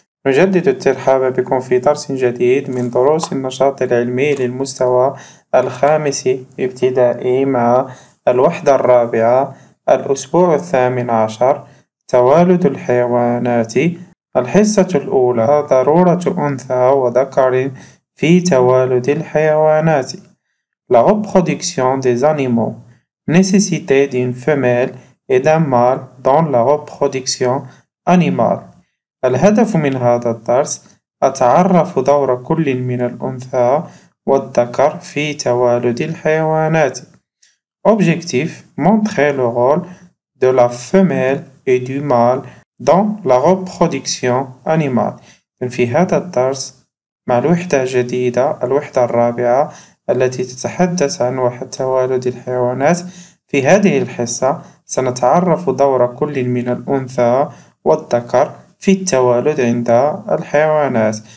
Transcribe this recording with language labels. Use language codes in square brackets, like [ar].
[ar] نجدد الترحاب بكم في درس جديد من دروس النشاط العلمي للمستوى الخامس ابتدائي مع الوحدة الرابعة الأسبوع الثامن عشر توالد الحيوانات الحصة الأولى ضرورة أنثى وذكر في توالد الحيوانات. [fr] La reproduction des animaux nécessité d'une femelle et d'un mâle dans la reproduction animale. [ar] الهدف من هذا الدرس أتعرف دور كل من الأنثى والذكر في توالد الحيوانات. [fr] Objectif: montrer le rôle de la femelle et du mâle dans la reproduction animale. [ar] في هذا الدرس مع الوحدة الجديدة الوحدة الرابعة التي تتحدث عن وحدة توالد الحيوانات في هذه الحصة سنتعرف دور كل من الأنثى والذكر في التوالد عند الحيوانات.